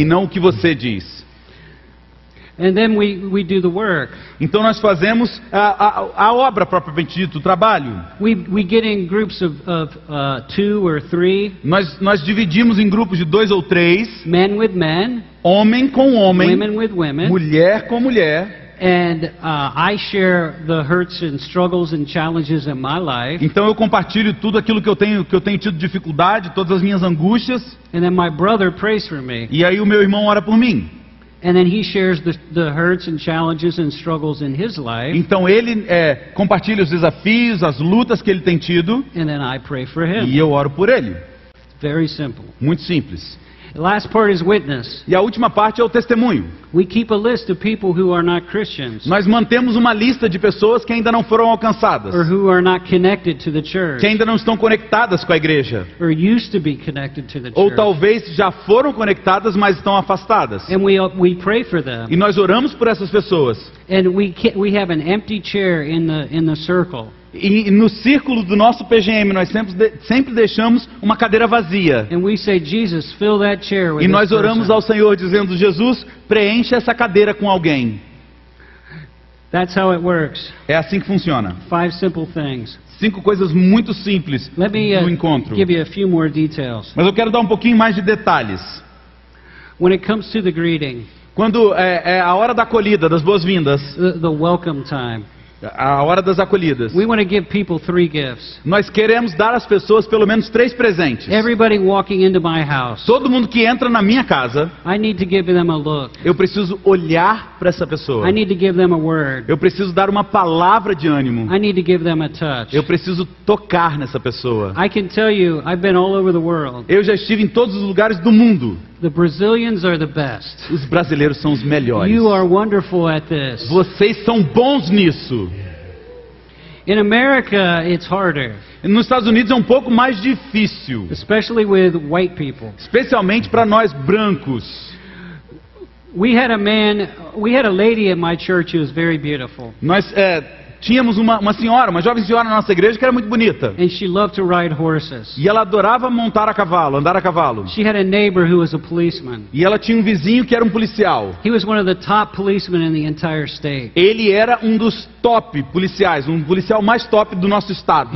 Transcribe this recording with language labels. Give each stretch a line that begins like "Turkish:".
Portuguese: E não o que você diz.
English: And then we do the work.
Portuguese: Então nós fazemos a obra propriamente dita, o trabalho.
English: We get in groups of two or three.
Portuguese: Nós dividimos em grupos de dois ou três.
English: Men with men.
Portuguese: Homem com homem.
English: Women with women.
Portuguese: Mulher com mulher.
English: And I share the hurts and struggles and challenges in my life.
Portuguese: Então eu compartilho tudo aquilo que eu tenho tido dificuldade, todas as minhas angústias.
English: And then my brother prays for me.
Portuguese: E aí o meu irmão ora por mim.
English: And then he shares the hurts and challenges and struggles in his life.
Portuguese: Então ele compartilha os desafios, as lutas que ele tem tido.
English: And then I pray for him.
Portuguese: E eu oro por ele.
English: Very simple.
Portuguese: Muito simples.
English: Last part is witness.
Portuguese: E a última parte é o testemunho.
English: We keep a list of people who are not Christians.
Portuguese: Nós mantemos uma lista de pessoas que ainda não foram alcançadas.
English: Or who are not connected to the church.
Portuguese: Que ainda não estão conectadas com a igreja.
English: Or used to be connected to the church.
Portuguese: Ou talvez já foram conectadas, mas estão afastadas.
English: And we pray for them.
Portuguese: E nós oramos por essas pessoas.
English: And we have an empty chair in the circle.
Portuguese: E no círculo do nosso PGM, nós sempre deixamos uma cadeira vazia.
English: And we say, Jesus, fill that chair with
Portuguese: e nós oramos ao Senhor dizendo, Jesus, preencha essa cadeira com alguém.
English: That's how it works.
Portuguese: É assim que funciona.
English: Five simple things.
Portuguese: Cinco coisas muito simples no encontro.
English: Give you a few more details.
Portuguese: Mas eu quero dar um pouquinho mais de detalhes.
English: When it comes to the greeting,
Portuguese: quando é a hora da acolhida, das boas-vindas,
English: the welcome time.
Portuguese: A hora das acolhidas.
English: We want to give people three gifts.
Portuguese: Nós queremos dar às pessoas pelo menos três presentes.
English: Everybody walking into my house.
Portuguese: Todo mundo que entra na minha casa.
English: I need to give them a look.
Portuguese: Eu preciso olhar para essa pessoa.
English: I need to give them a word.
Portuguese: Eu preciso dar uma palavra de ânimo.
English: I need to give them a touch.
Portuguese: Eu preciso tocar nessa pessoa.
English: I can tell you, I've been all over the world.
Portuguese: Eu já estive em todos os lugares do mundo.
English: The Brazilians are the best.
Portuguese: Os brasileiros são os melhores.
English: You are wonderful at this.
Portuguese: Vocês são bons nisso.
English: In America, it's harder.
Portuguese: Nos Estados Unidos é um pouco mais difícil.
English: Especially with white people.
Portuguese: Especialmente para nós brancos.
English: We had a lady at my church who was very beautiful.
Portuguese: Nós tínhamos uma senhora, uma jovem senhora na nossa igreja que era muito bonita.
English: And she loved to ride horses.
Portuguese: E ela adorava montar a cavalo, andar a cavalo.
English: She had a neighbor who was a policeman.
Portuguese: E ela tinha um vizinho que era um policial.
English: He was one of the top policemen in the entire state.
Portuguese: Ele era um dos top policiais, um policial mais top do nosso estado.